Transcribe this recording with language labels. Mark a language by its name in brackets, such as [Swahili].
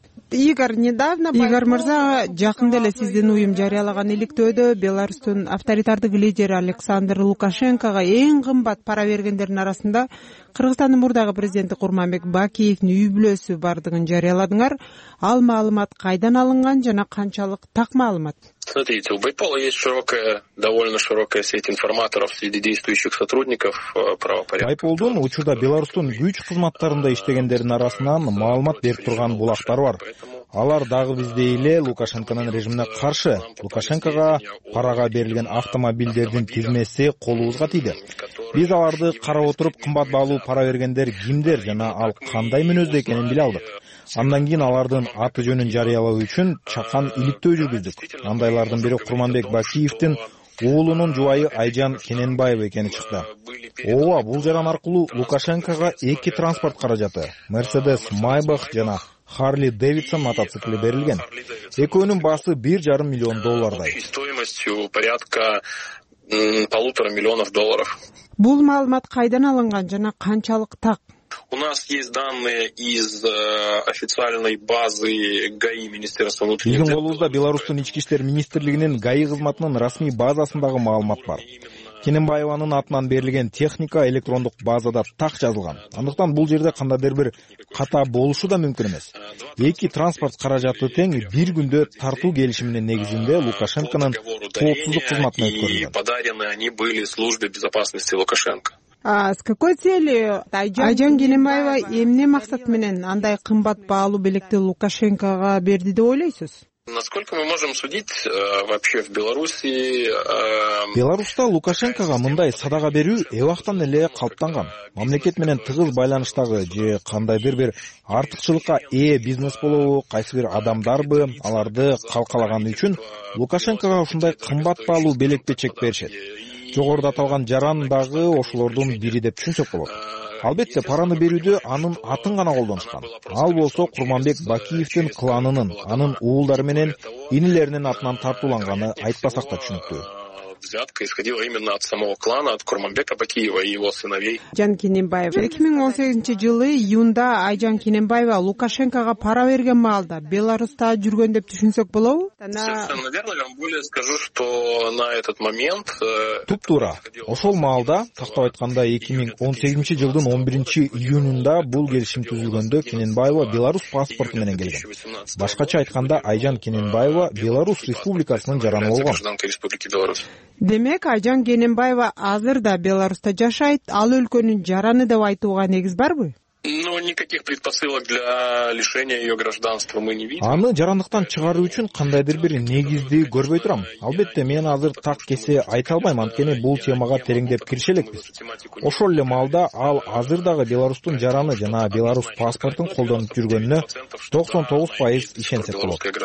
[Kyrgyz] Игорь мырза, жакында эле сиздин уюм жарыялаган иликтөөдө Беларусьтун авторитардык лидери Александр Лукашенкога эң кымбат пара бергендердин арасында Кыргызстандын мурдагы президенти Курманбек Бакиевдин үй бүлөсү бардыгын жарыяладыңар. Ал маалымат кайдан алынган жана канчалык так маалымат? [Russian] Смотрите, у Байпала есть широкая, довольно широкая сеть информаторов среди действующих сотрудников правопорядка. [Kyrgyz] Байполдун учурда Беларусьтун күч кызматтарында иштегендердин арасынан маалымат берип турган булактар бар. Алар дагы биздей эле Лукашенконун режимине каршы, Лукашенкога парага берилген автомобилдердин тизмеси колубузга тийди. Биз аларды карап отуруп, кымбат баалуу пара бергендер кимдер жана ал кандай мүнөздө экенин биле алдык. Андан кийин алардын аты жөнүн жарыялоо үчүн чакан иликтөө жүргүздүк. Андайлардын бири Курманбек Бакиевдин уулунун жубайы Айжан Кененбаева экени чыкты. Ооба, бул жаран аркылуу Лукашенкога эки транспорт каражаты, Mercedes Maybach жана Harley Davidson мотоциклы берилген. Экөөнүн баасы 1,5 миллион доллардай. [Russian] Стоимостью порядка 1,5 миллионов долларов. [Kyrgyz] Бул маалымат кайдан алынган жана канчалык так? [Russian] У нас есть данные из официальной базы ГАИ Министерства внутренних дел. [Kyrgyz] Биздин колубузда Беларусьтун ички иштер министрлигинин ГАИ кызматынын расмий базасындагы маалымат бар. Кененбаеванын атынан берилген техника электрондук базада так жазылган. Андыктан бул жерде кандайдыр бир ката болушу да мүмкүн эмес. Эки транспорт каражаты тең бир күндө тартуу келишиминин негизинде Лукашенконун коопсуздук кызматына өткөрүлгөн. [Russian] Подарены они были службе безопасности Лукашенко. С какой целью [Kyrgyz] Айжан Кененбаева эмне максат менен андай кымбат баалуу белекти Лукашенкога берди деп ойлойсуз? [Russian] Насколько мы можем судить вообще в Беларуси? [Kyrgyz] Беларусьта Лукашенкога мындай садага берүү эбактан эле калыптанган. Мамлекет менен тыгыз байланыштагы же кандайдыр бир артыкчылыкка ээ бизнес болобу, кайсы бир адамдарбы аларды калкалаганы үчүн Лукашенкога ушундай кымбат баалуу белекти чек беришет. Жогоруда аталган жаран дагы ошолордун бири деп түшүнсөк болот. Албетте, параны берүүдө анын атын гана колдонушкан. Ал болсо Курманбек Бакиевдин кланынын, анын уулдары менен инилеринин атынан тартууланганы айтпасак да түшүнүктүү. [Russian] Взятка исходила именно от самого клана, от Курманбека Бакиева и его сыновей. [Kyrgyz] Айжан Кененбаева. 2018 жылы июнда Айжан Кененбаева Лукашенкога пара берген маалда Беларусьта жүргөн деп түшүнсөк болобу? [Russian] Совершенно верно, я более скажу, что на этот момент... [Kyrgyz] Туп-тура. Ошол маалда, тактап айтканда 2018 жылдын 11 июнунда бул келишим түзүлгөндө Кененбаева Беларусь паспорту менен келген. Башкача айтканда Айжан Кененбаева Беларусь Республикасынын жараны болгон. Демек, Айжан Кененбаева азыр да Беларусьта жашайт, ал өлкөнүн жараны деп айтууга негиз барбы? [Russian] Никаких предпосылок для лишения ее гражданства мы не видим. [Kyrgyz] Аны жарандыктан чыгаруу үчүн кандайдыр бир негизди көрбөй турам. Албетте, мен азыр так кесе айта албайм, анткени бул темага тереңдеп кириш элекпиз. Ошол эле маалда ал азыр дагы Беларусьтун жараны жана Беларусь паспортун колдонуп жүргөнүнө 99% ишенсек болот.